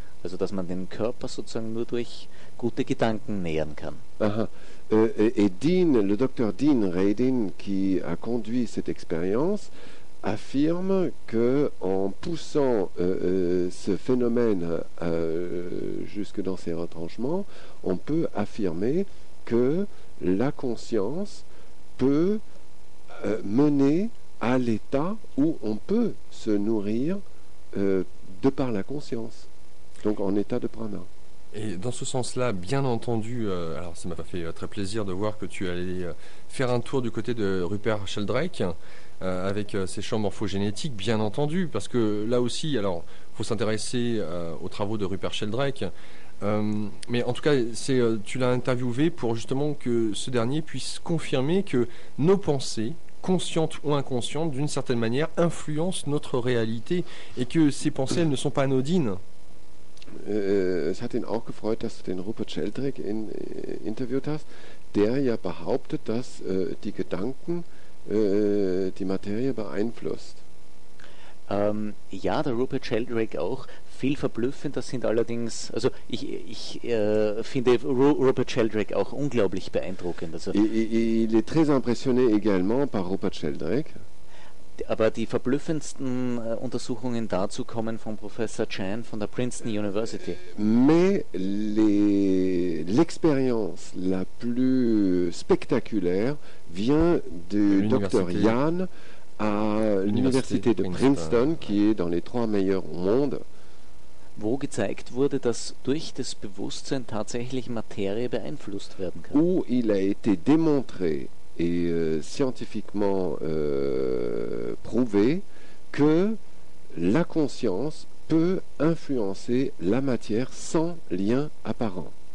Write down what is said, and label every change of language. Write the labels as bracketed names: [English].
[German] Also dass man den Körper sozusagen nur durch gute Gedanken nähren kann. Aha. [French] Et Dean, le docteur Dean Radin, qui a conduit cette expérience, affirme que en poussant ce phénomène jusque dans ses retranchements, on peut affirmer que la conscience peut mener à l'état où on peut se nourrir de par la conscience. Donc en état de prana. Et dans ce sens-là, bien entendu, alors ça m'a fait très plaisir de voir que tu allais faire un tour du côté de Rupert Sheldrake avec ses champs morphogénétiques, bien entendu, parce que là aussi, alors il faut s'intéresser aux travaux de Rupert Sheldrake, mais en tout cas, tu l'as interviewé pour justement que ce dernier puisse confirmer que nos pensées, conscientes ou inconscientes, d'une certaine manière, influencent notre réalité et que ces pensées, elles ne sont pas anodines. [German] Es hat ihn auch gefreut, dass du den Rupert Sheldrake interviewt hast, der ja behauptet, dass die Gedanken die Materie beeinflusst. Ja, der Rupert Sheldrake auch. Viel verblüffend, das sind allerdings, also ich finde Rupert Sheldrake auch unglaublich beeindruckend. Also [French] il est très impressionné également par Rupert Sheldrake. [German] Aber die verblüffendsten Untersuchungen dazu kommen von Professor Chan von der Princeton University. [French] Mais l'expérience la plus spectaculaire vient du Dr. Yan à l'Université de Princeton, qui est dans les trois meilleurs au monde. [German] Wo gezeigt wurde, dass durch das Bewusstsein tatsächlich Materie beeinflusst werden kann. [French] Où il a été démontré et scientifiquement prouvé que la conscience peut influencer la matière sans lien apparent.